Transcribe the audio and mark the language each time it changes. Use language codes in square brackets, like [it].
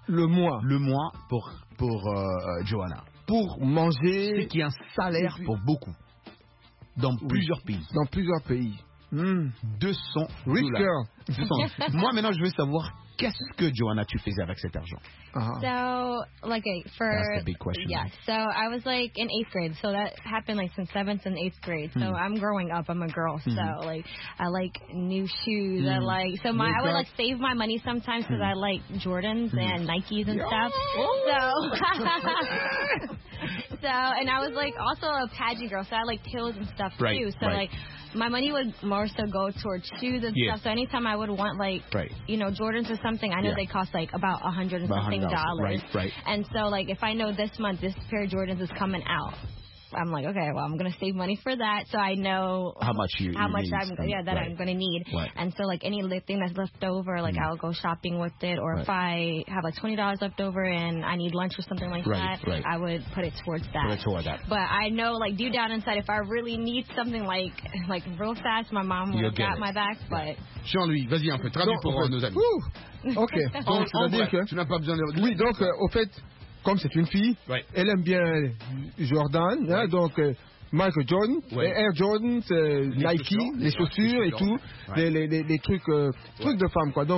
[fr] le mois. Le mois pour Johanna. Pour manger. Ce qui est un salaire pour beaucoup. Dans plusieurs pays. Dans plusieurs pays. 200 dollars. Moi maintenant je veux savoir qu'est-ce que Joanna tu faisais avec cet argent. [en] So I was like in 8th grade, so that happened like since 7th and 8th grade. So I'm growing up, I'm a girl, so like I like new shoes, I like, so my, I would like save my money sometimes because I like Jordans and Nikes and stuff. So so, and I was like also a pageant girl, so I like heels and stuff too, so like my money would more so go towards shoes and stuff. So anytime I would want, like, you know, Jordans or something, I know they cost, like, about $100 and something. And so, like, if I know this month this pair of Jordans is coming out, I'm like, okay, well, I'm going to save money for that so I know how much you I'm going to need. And so, like, any thing that's left over, like, I'll go shopping with it. Or if I have, like, $20 left over and I need lunch or something like that, I would put it towards that. But I know, like, deep down inside, if I really need something, like real fast, my mom would have got my back, but... [fr] Jean-Louis, vas-y un peu, traduis pour nos amis. Ok, donc, en bref, que... tu n'as pas besoin de... Oui, donc, au fait... Comme c'est une fille, elle aime bien Jordan, hein, donc Michael Jordan, Air Jordan, Nike, les chaussures et tout, les trucs de femme, quoi.